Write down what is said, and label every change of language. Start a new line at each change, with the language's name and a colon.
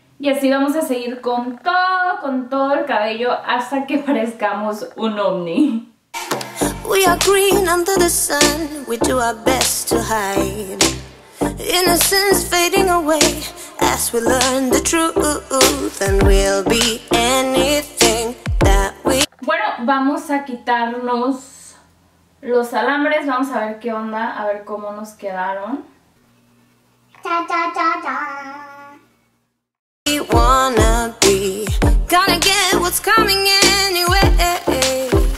Spanish: Así vamos a seguir con todo el cabello hasta que parezcamos un ovni.
English: We are green under the sun, we do our best to hide. Innocence fading away as we learn the truth and we'll be anything that we...
Spanish: Bueno, vamos a quitarnos los alambres, vamos a ver qué onda, a ver cómo nos quedaron.
English: Cha cha cha cha. Wanna be, gonna get what's coming anyway.